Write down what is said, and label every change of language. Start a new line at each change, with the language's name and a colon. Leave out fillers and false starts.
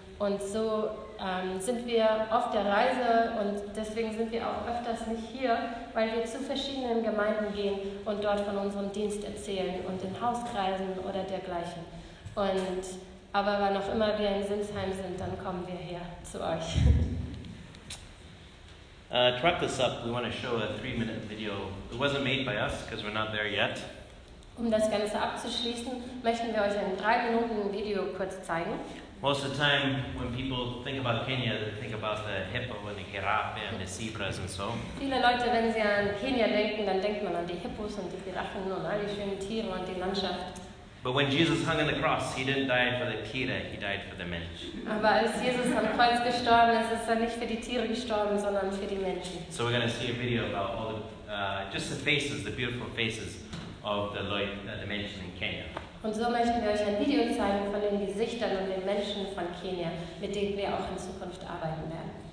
German: Und so sind wir auf der Reise und deswegen sind wir auch öfters nicht hier, weil wir zu verschiedenen Gemeinden gehen und dort von unserem Dienst erzählen und in Hauskreisen oder dergleichen. Aber wann auch immer wir in Sinsheim sind, dann kommen wir hier zu euch.
English: To wrap this up, we want to show a 3-minute video. It wasn't made by us, because we're not there yet.
German: Um das Ganze abzuschließen, möchten wir euch ein 3-Minuten Video kurz zeigen.
English: Most of the time, when people think about Kenya, they think about the hippo and the giraffe and the zebras and so.
German: Viele Leute, wenn sie an Kenia denken, dann denkt man an die Hippos und die Giraffen und all die schönen Tiere und die Landschaft.
English: But when Jesus hung on the cross, he didn't die for the Tiere, he died for the Mensch.
German: Aber als Jesus am Kreuz gestorben ist, ist er nicht für die Tiere gestorben, sondern für die Menschen.
English: So we're going to see a video about all the, just the faces, the beautiful faces of the Leute, the Menschen in Kenya.
German: Und so möchten wir euch ein Video zeigen von den Gesichtern und den Menschen von Kenia, mit denen wir auch in Zukunft arbeiten werden.